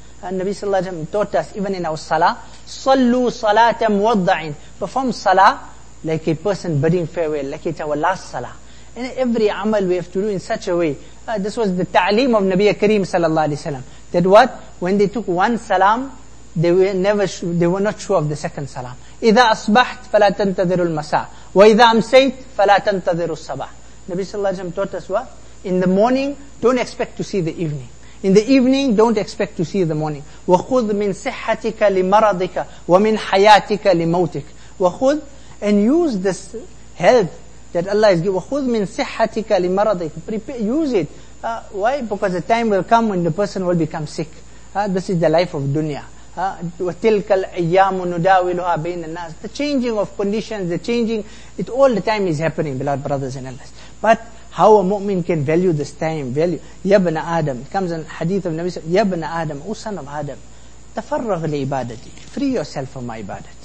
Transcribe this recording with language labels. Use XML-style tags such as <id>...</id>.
<en>And Nabi sallallahu alayhi wa sallam taught us, even in our salah,</en> <ar>صَلُّوا صَلَاةَ مُوَضَّعِينَ</ar> <en>Perform salah like a person bidding farewell, like it's our last salah. And every amal we have to do in such a way. This was the ta'aleem of Nabi Kareem sallallahu alayhi wa sallam. That what? When they took one salam, they were not sure of the second salam.</en> <ar>إِذَا أَصْبَحْتْ فَلَا تَنْتَذِرُ الْمَسَاءِ وَإِذَا أَمْسَيْتْ فَلَا تَنْتَذِرُ الصَّبَاحِ</ar> <en>Nabi sallallahu alayhi wa sallam taught us what? In the morning, don't expect to see the evening. In the evening, don't expect to see the morning.</en> <ar>وَخُذْ مِنْ صِحَّتِكَ لِمَرَضِكَ وَمِنْ حَيَاتِكَ لِمَوْتِكَ وَخُذْ</ar> <en>And use this health that Allah has given.</en> <ar>وَخُذْ مِنْ صِحَّتِكَ لِمَرَضِكَ</ar> <en>Prepare, use it. Why? Because the time will come when the person will become sick. This is the life of dunya.</en> <ar>وَتِلْكَ الْأَيَّامُ نُدَاوِلُهَا بَيْنَ النَّاسِ</ar> <en>The changing of conditions, the changing, it all the time is happening, beloved brothers and elders. But how a mu'min can value this time, value.</en> <ar>يَبْنَ</ar> <en>Adam, it comes in hadith of Nabi Sallallahu Alaihi Wasallam, يَبْنَ Adam, O son of Adam,</en> <ar>تَفَرَّغْ لِعِبَادَتِ</ar> <en>Free yourself from my ibadat.</en>